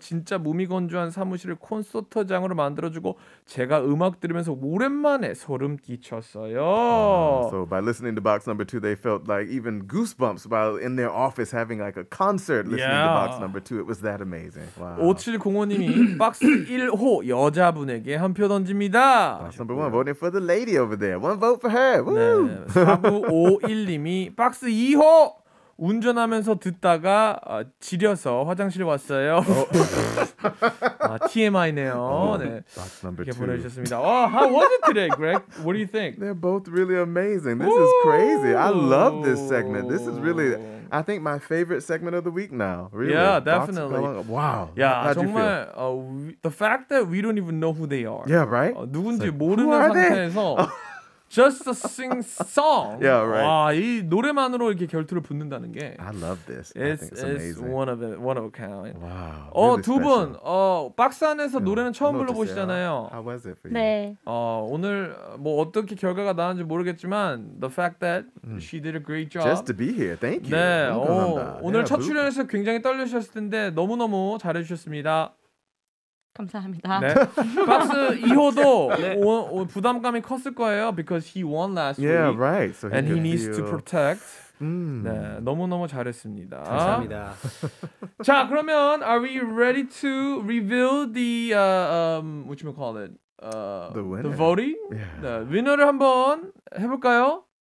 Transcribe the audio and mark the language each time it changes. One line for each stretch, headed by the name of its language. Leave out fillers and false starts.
Korean: 진짜 무미건조한 사무실을 콘서트장으로 만들어주고 제가 음악 들으면서 오랜만에 소름 끼쳤어요.
English: So by listening to box number 2 they felt like even goosebumps while in their office having like a concert listening to box number 2. It was that amazing. Wow.
Korean: 5705님이 박스 1호 여자분에게 한 표 던집니다.
English: Box number 1 voting for the lady over there. One vote for her.
Korean: 4951님이 박스 2호 운전하면서 듣다가 지려서 화장실 왔어요. 아, TMI네요. 네.
English: Box number
Korean: 이렇게 보내주셨습니다.
English: Oh, how was it today, Greg? What do you think? They're both really amazing. This is crazy. I love this segment. This is really, I think, my favorite segment of the week now. Really. Yeah, definitely. Wow. Yeah, how'd
Korean: 정말
English: you feel? The fact that we don't even know who they are. Yeah, right?
Korean: 누군지
English: like,
Korean: 모르는 상태에서
English: Just a sing song. Yeah, right.
Korean: 와, 이 노래만으로 이렇게 결투를 붙는다는 게.
English: I love this. It's one of it, one of a kind. Wow.
Korean: 어, 두 분, 어, 박스 안에서 노래는 처음 불러보시잖아요.
English: How was it for you?
Korean: 네. 어, 오늘 뭐 어떻게 결과가 나왔는지 모르겠지만,
English: the fact that she did a great job. Just to be here, thank you.
Korean: 네. 어, 오늘 첫 출연에서 굉장히 떨리셨을 텐데 너무 너무 잘해주셨습니다. 감사합니다. 네. 박스 2호도 네. 부담감이 컸을 거예요.
English: Because he won last yeah, week. Right. So and he needs feel... to protect.
Korean: 네, 너무너무 잘했습니다. 감사합니다. 자, 그러면
English: are we ready to reveal the, what you call it? The winner. The voting? Yeah.
Korean: 네, 위너를 한번 해볼까요?